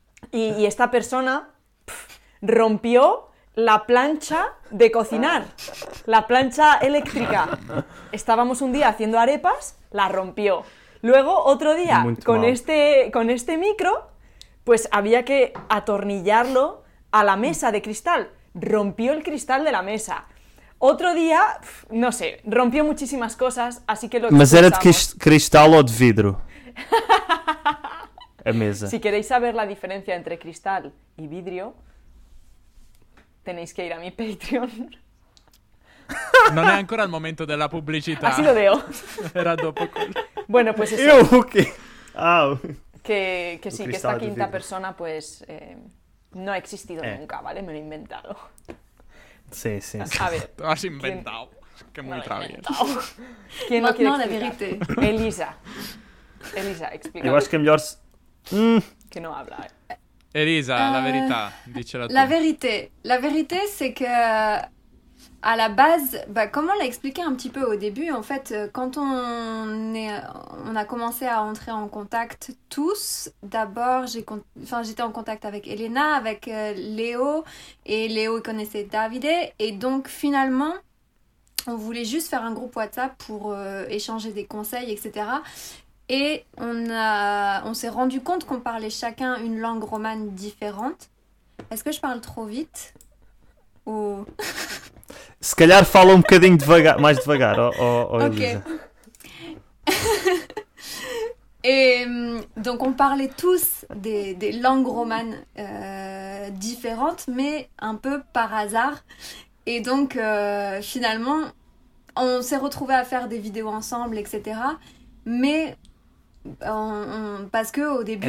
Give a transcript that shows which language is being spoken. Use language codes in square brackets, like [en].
[es] Y esta persona rompió la plancha de cocinar, la plancha eléctrica. Estábamos un día haciendo arepas, la rompió. Luego, otro día, con este micro, pues había que atornillarlo a la mesa de cristal. Rompió el cristal de la mesa. [pt] Outro dia, não sei, [es] rompeu [pt] muitíssimas coisas, assim que... Mas era de cristal ou de vidro? A mesa. [es] Se queréis saber [pt] a diferença entre cristal e [es] vidrio, tenéis que ir a mi Patreon. [pt] Não é ainda o momento da publicidade. [es] Assim lo veo. [it] Era dopo quello. [es] Bueno, pues eso. [pt] Eu, o quê? Ah, que sim, [es] sí, que esta quinta persona, pues, [pt] não [es] ha existido nunca, vale? Me lo he inventado. Sí. A ver, has inventado. Qué muy travieso. ¿Quién no quiere explicar? Elisa, explica. Yo creo que mejor... Que no habla. Elisa, la verdad, dícela tú. La verdad es que... [fr] À la base, bah, comme on l'a expliqué un petit peu au début, en fait, quand on a commencé à entrer en contact tous, d'abord, j'étais en contact avec Elena, avec Léo, et Léo connaissait Davide, et donc finalement, on voulait juste faire un groupe WhatsApp pour échanger des conseils, etc. Et on s'est rendu compte qu'on parlait chacun une langue romane différente. Est-ce que je parle trop vite? Ou... [pt] Se calhar fala um bocadinho devagar, mais devagar, Elisa. Ok. [fr] Et donc on parlait tous des langues romanes différentes, mais un peu par hasard. Et donc finalement, on s'est retrouvés à faire des vidéos ensemble, etc. Mais parce qu'au début,